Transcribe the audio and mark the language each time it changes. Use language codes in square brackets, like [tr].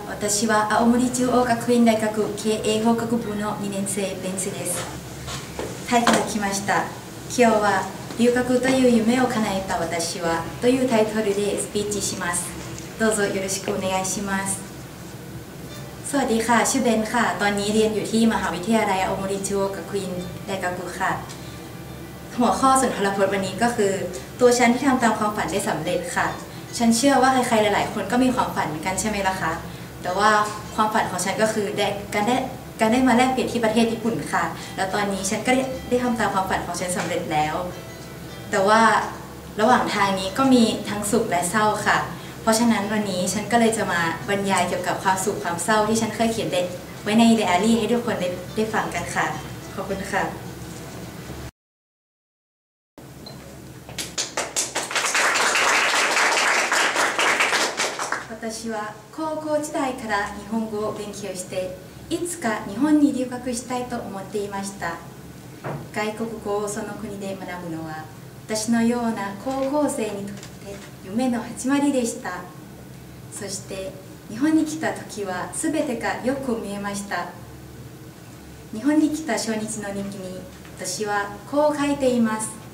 [ja] 私は青森中央学院大学経営法学部の2年生ベンツです。タイトル来ました。今日は留学という夢を叶えた私はというタイトルでスピーチします。どうぞよろしくお願いします。 [th] สวัสดีค่ะชื่อเบนค่ะตอนนี้เรียนอยู่ที่มหาวิทยาลัยอโมริจูโอกะควินไดกากุค่ะหัวข้อสุนทรพจน์วันนี้ก็คือตัวฉันที่ทำตามความฝันได้สำเร็จค่ะฉันเชื่อว่าใครๆหลายๆคนก็มีความฝันเหมือนกันใช่ไหมล่ะคะแต่ว่าความฝันของฉันก็คือการได้มาแลกเปลี่ยนที่ประเทศญี่ปุ่นค่ะแล้วตอนนี้ฉันก็ได้ทำตามความฝันของฉันสำเร็จแล้ว แต่ว่าระหว่างทางนี้ก็มีทั้งสุขและเศร้าค่ะเพราะฉะนั้นวันนี้ฉันก็เลยจะมาบรรยายเกี่ยวกับความสุขความเศร้าที่ฉันเคยเขียนไว้ในไดอารี่ให้ทุกคนได้ฟังกันค่ะขอบคุณค่ะวันนี้ว่า [ja] 高校時代から日本語を勉強して、いつか日本に留学したいと思っていました。外国語をその国で学ぶのは、私のような高校生にとって夢の始まりでした。そして日本に来た時は全てがよく見えました。日本に来た初日の日記に私はこう書いています。